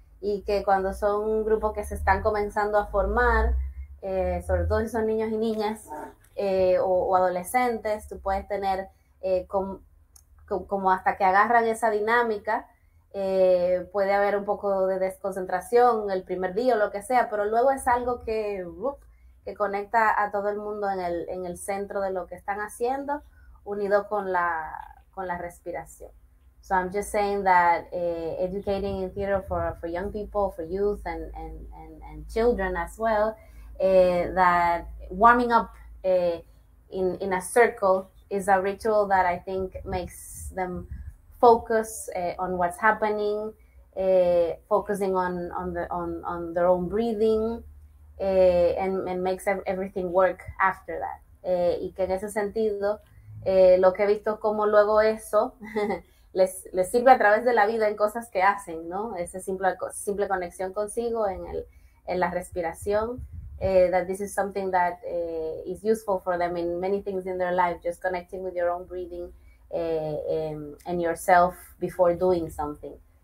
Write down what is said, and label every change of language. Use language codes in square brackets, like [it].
[es] Y que cuando son un grupo que se están comenzando a formar, sobre todo si son niños y niñas o adolescentes, tú puedes tener como hasta que agarran esa dinámica, puede haber un poco de desconcentración el primer día o lo que sea, pero luego es algo que conecta a todo el mundo en el centro de lo que están haciendo, unido con la respiración. [en] So I'm just saying that educating in theater for young people, for youth and children as well, that warming up in a circle is a ritual that I think makes them focus on what's happening, focusing on their own breathing, and makes everything work after that. [es] Y que en ese sentido, lo que he visto como luego eso les sirve a través de la vida en cosas que hacen, ¿no? Esa simple conexión consigo en la respiración. [en] That this is something that is useful for them in many things in their life, just connecting with your own breathing and yourself before doing something.